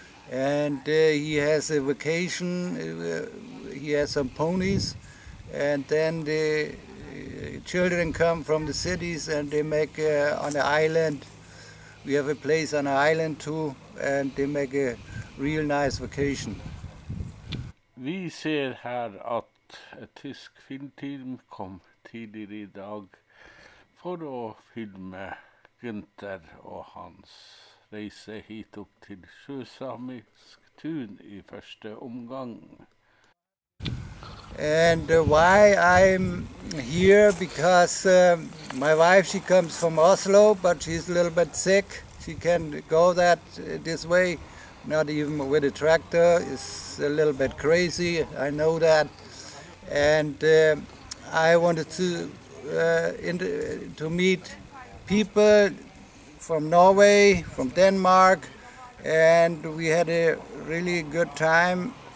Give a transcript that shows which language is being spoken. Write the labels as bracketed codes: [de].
[en] And he has a vacation, he has some ponies, and then the children come from the cities and they make on the island. We have a place on the island too, and they make a real nice vacation. [no] Vi ser her at et tysk filmteam kom tidligere i dag for å filme Gunther og hans reise hit opp til Sjøsamisk Tun i første omgang. [en] And why I'm here, because my wife, she comes from Oslo, but she's a little bit sick. She can go that this way, not even with a tractor. It's a little bit crazy, I know that. And I wanted to meet people from Norway, from Denmark, and we had a really good time.